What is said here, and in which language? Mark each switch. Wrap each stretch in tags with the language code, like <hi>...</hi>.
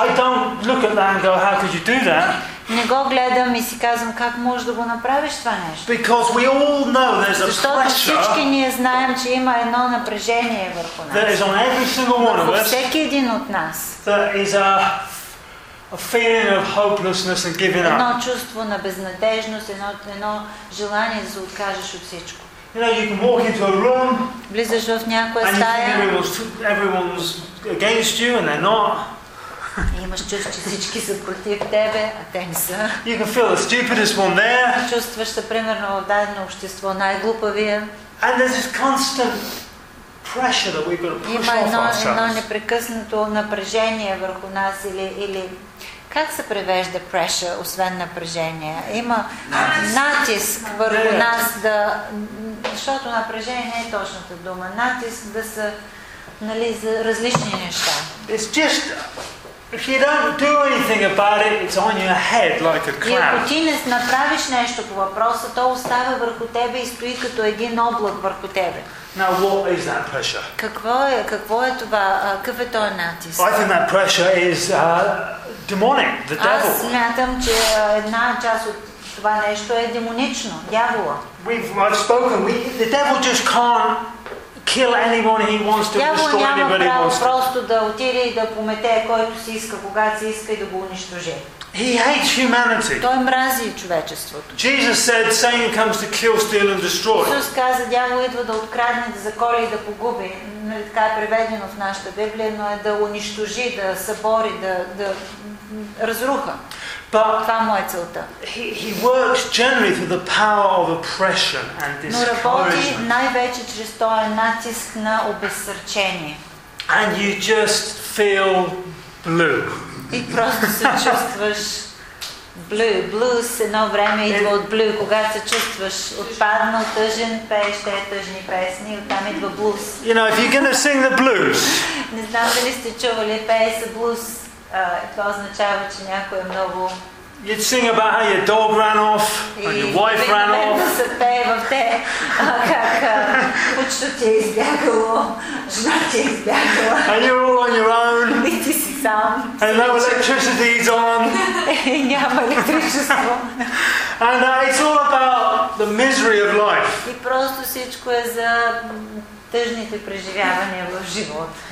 <en>I don't look at that and go, how could you do that?</en> <bg>Не го гледам и си казвам как можеш да го направиш това нещо.</bg> <en>Because we all know there's a pressure.</en> <bg>Защото всички ние знаем, че има едно напрежение върху нас.</bg> <en>There is on every single one of us.</en> <bg>Всеки един от нас.</bg> <en>There is a feeling of hopelessness and giving up.</en> <bg>Едно чувство на безнадежност, едно желание да се откажеш от всичко.</bg> <en>You know, you can walk into a room.</en> <bg>Влизаш в някоя стая.</bg> <en>And everyone's against you and they're not.</en> <bg>Имаш чувство, че всички са против тебе, а те не са.</bg> <en>You can feel the stupidest one there.</en> <bg>Чувстваш се примерно в дадено общество най-глупавия.</bg> <en>And there's this constant pressure that we've got to push off ourselves.</en> <bg>Има едно непрекъснато напрежение върху нас или как се превежда pressure освен напрежение? Има натиск върху нас да, защото напрежение не е точната дума, натиск да са, нали, за различни неща.</bg> <en>It's just if you don't do anything about it, it's on your head like a cloud.</en> <bg>И ако ти не направиш нещо по въпроса, то остава върху тебе и стои като един облак върху тебе.</bg> <en>Now what is that pressure?</en> <bg>Какво е това? Какъв е този натиск?</bg> <en>I think that pressure is demonic, the devil.</en> <bg>Аз смятам, че една част от това нещо е демонично, дявола.</bg> <en>The devil just can't kill anyone he wants to,</en> <bg>дявол</bg> <en>destroy anybody wants.</en> <bg>Дявол няма право просто да отиде и да помете който си иска, когато си иска и да го унищожи.</bg> <en>He hates humanity.</en> <bg>Той мрази човечеството.</bg> <en>Jesus said Satan comes to kill, steal and destroy.</en> <bg>Исус каза, дявол идва да открадне, да заколи и да погуби. Нали така е преведено в нашата Библия, но е да унищожи, да събори, да разруха. Това му е целта.</bg> <en>He works generally through the power of oppression and discouragement.</en> <bg>Но работи най-вече чрез този натиск на обезсърчение.</bg> <en>And you just feel blue.</en> <bg>И просто се чувстваш blue. Blues едно време идва от blue. Когато се чувстваш отпаднал, тъжен, пееш те тъжни песни, оттам идва blues.</bg> <en>You know, if you're gonna sing the blues.</en> <bg>Не знам дали сте чували, пее се blues. Това означава, че някой е много.</bg> <en>You'd sing about how your dog ran off, or your wife ran off.</en> <bg>И се пее в те, как кучето ти е избягало, жена ти е избягала.</bg> <en>And you're all on your own.</en> <bg>И ти си сам.</bg> <en>And no electricity is on.</en> <bg>И няма електричество.</bg> <en>And it's all about the misery of life.</en> <bg>И просто всичко е за тъжните преживявания в живот.</bg>